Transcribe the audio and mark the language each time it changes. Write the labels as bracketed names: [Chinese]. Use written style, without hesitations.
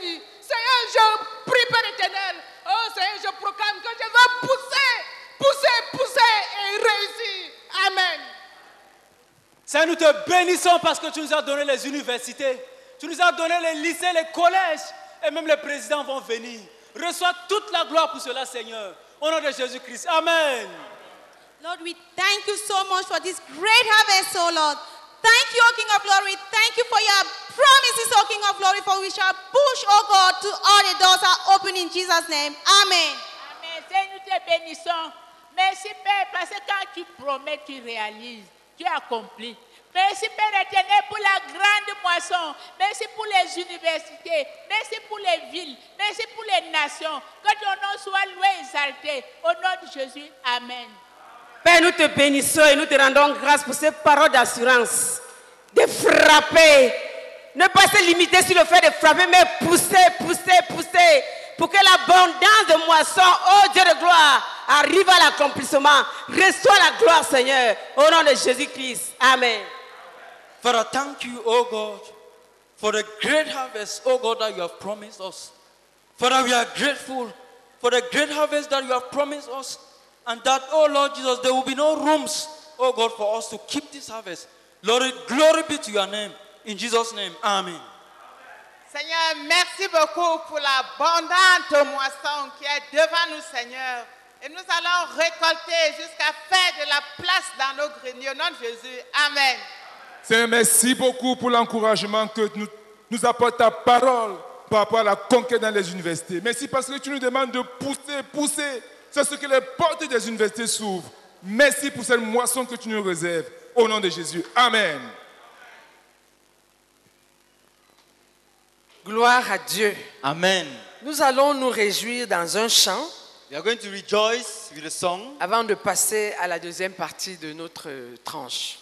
[French] Seigneur, je prie Père éternel. Oh Seigneur, je proclame que je vais pousser et réussir. Amen. Seigneur, nous te bénissons parce que tu nous as donné les universités. Tu nous as donné les lycées, les collèges, et même les présidents vont venir. Reçois toute la gloire pour cela, Seigneur. Au nom de Jésus-Christ, amen. [English] Lord, we thank you so much for this great harvest, oh Lord. Thank you, O King of Glory. Thank you for your promises, O King of Glory, for we shall push, O God, to all the doors are open in Jesus' name. Amen. [French] Amen. Seigneur, te bénissons. Merci, Père, parce que quand tu promets, tu réalises, tu accomplis. Merci, Père éternel, pour la grande moisson. Merci pour les universités. Merci pour les villes. Merci pour les nations. Que ton nom soit loué et exalté. Au nom de Jésus, amen. Père, nous te bénissons et nous te rendons grâce pour ces paroles d'assurance. De frapper. Ne pas se limiter sur le fait de frapper, mais pousser. Pour que l'abondance de moisson, oh Dieu de gloire, arrive à l'accomplissement. Reçois la gloire, Seigneur, au nom de Jésus-Christ. Amen. [English] Father, thank you, oh God, for the great harvest, oh God, that you have promised us. Father, we are grateful for the great harvest that you have promised us. And that, oh Lord Jesus, there will be no rooms, oh God, for us to keep this harvest. Lord, glory be to your name. In Jesus' name, amen. [French] Seigneur, merci beaucoup pour l'abondante moisson qui est devant nous, Seigneur. Et nous allons récolter jusqu'à faire de la place dans nos greniers. Au nom de Jésus, amen. Seigneur, merci beaucoup pour l'encouragement que nous apporte ta parole par rapport à la conquête dans les universités. Merci parce que tu nous demandes de pousser. C'est ce que les portes des universités s'ouvrent. Merci pour cette moisson que tu nous réserves. Au nom de Jésus, amen. Gloire à Dieu. Amen. Nous allons nous réjouir dans un chant. [English] We are going to rejoice with a song. [French] Avant de passer à la deuxième partie de notre tranche.